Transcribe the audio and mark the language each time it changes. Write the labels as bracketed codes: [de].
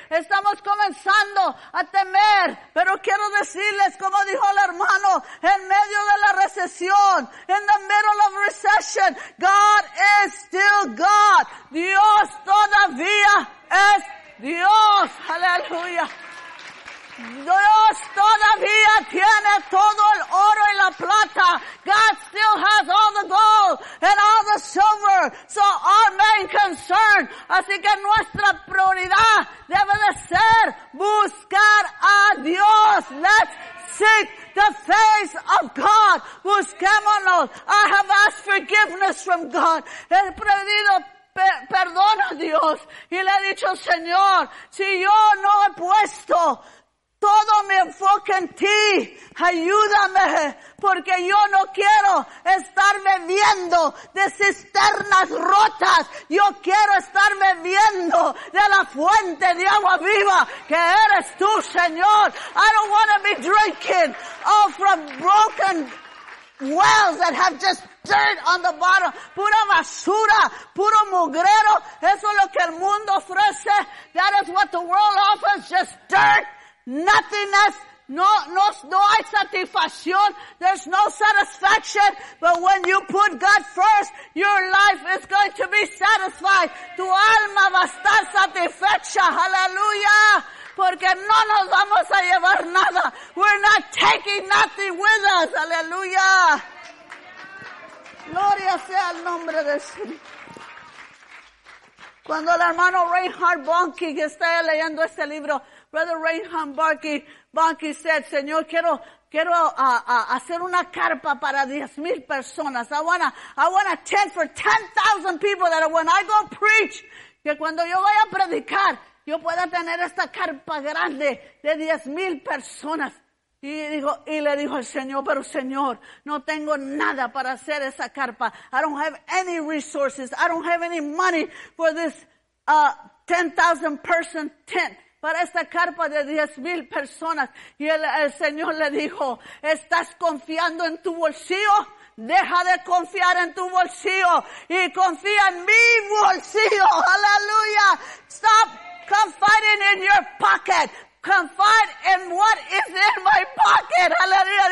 [es] Estamos comenzando a temer. Pero quiero decirles, como dijo el hermano, en medio de la recesión, [en] in the middle of recession, God is still God. [es] Dios todavía es Dios. Aleluya. Dios todavía tiene todo el oro y la plata. [en] God still has all the gold and all the silver. So our main concern, [es] así que nuestra prioridad debe de ser buscar a Dios. [en] Let's seek the face of God. Busquémonos. I have asked forgiveness from God. [es] He pedido perdón a Dios. Y le he dicho, Señor, si yo no he puesto todo mi enfoque en ti, ayúdame, porque yo no quiero estar bebiendo de cisternas rotas. Yo quiero estar bebiendo de la fuente de agua viva que eres tú, Señor. [en] I don't want to be drinking all from broken wells that have just dirt on the bottom. [es] Pura basura, puro mugrero. Eso es lo que el mundo ofrece. [en] That is what the world offers, just dirt. Nothingness, [es] no hay satisfacción, [en] there's no satisfaction, but when you put God first, your life is going to be satisfied. [es] Tu alma va a estar satisfecha, hallelujah, porque no nos vamos a llevar nada. [en] We're not taking nothing with us, hallelujah. [es] Gloria sea el nombre del Señor. Cuando el hermano Reinhard Bonnke, que está leyendo este libro, Brother Reinhard Bonnke said, Señor, quiero hacer una carpa para 10,000 personas. [en] I wanna tent for 10,000 people that when I go preach, [es] que cuando yo vaya a predicar, yo pueda tener esta carpa grande de 10,000 personas. Y le dijo el Señor, pero Señor, no tengo nada para hacer esa carpa. [en] I don't have any resources. I don't have any money for this 10,000 person tent. [es] Para esta carpa de 10,000 personas. Y el Señor le dijo, ¿estás confiando en tu bolsillo? Deja de confiar en tu bolsillo y confía en mi bolsillo. [en] Aleluya. Stop confiding in your pocket. Confide in what is in my pocket. Aleluya.